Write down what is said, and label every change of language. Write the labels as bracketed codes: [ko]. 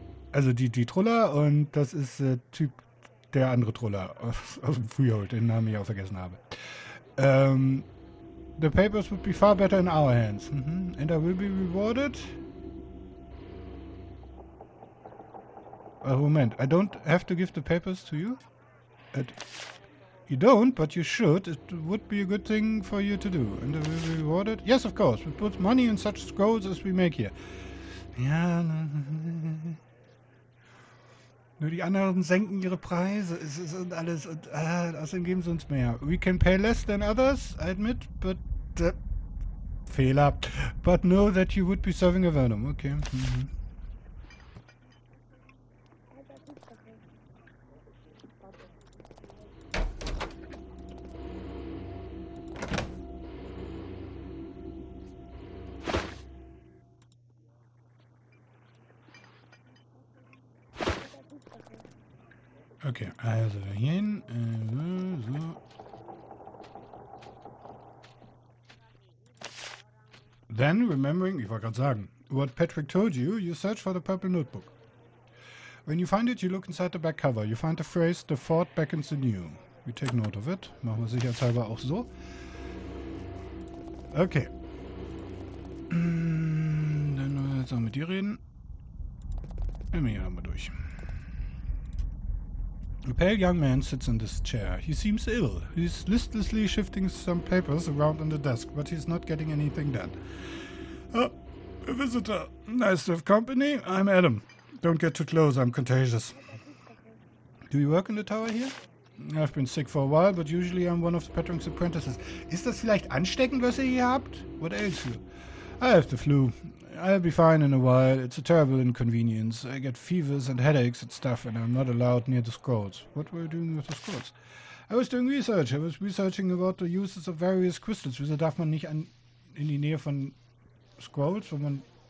[de] Also die Troller und das ist Typ der andere Troller aus dem Freehold, den Namen ich auch vergessen habe. [en] The papers would be far better in our hands. Mm-hmm. And I will be rewarded. Moment, I don't have to give the papers to you? You don't, but you should. It would be a good thing for you to do. And we'll be rewarded? Yes, of course. We put money in such scrolls as we make here. [de] Ja, ne. Nur die anderen senken ihre Preise. Es ist und alles und außerdem geben sie uns mehr. [en] We can pay less than others, I admit, but Fehler. But know that you would be serving a Venom. Okay. [de] Okay, also hierhin, so. [en] Then, remembering, [de] ich wollte gerade sagen, [en] what Patrick told you, you search for the purple notebook. When you find it, you look inside the back cover. You find the phrase, the fort beckons anew. We take note of it. [de] Machen wir sicherheitshalber auch so. [en] Okay. [de] Dann wollen wir jetzt auch mit dir reden. Nehmen wir hier nochmal durch. [en] A pale young man sits in this chair. He seems ill. He's listlessly shifting some papers around on the desk, but he's not getting anything done. Oh, a visitor. Nice to have company. I'm Adam. Don't get too close. I'm contagious. Do you work in the tower here? I've been sick for a while, but usually I'm one of the patron's apprentices. [de] Ist das vielleicht ansteckend, was ihr hier habt? [en] What ails you? I have the flu. I'll be fine in a while. It's a terrible inconvenience. I get fevers and headaches and stuff, and I'm not allowed near the scrolls. What were you doing with the scrolls? I was doing research. I was researching about the uses of various crystals. [de] Wieso darf man nicht in die Nähe von Scrolls, wo man...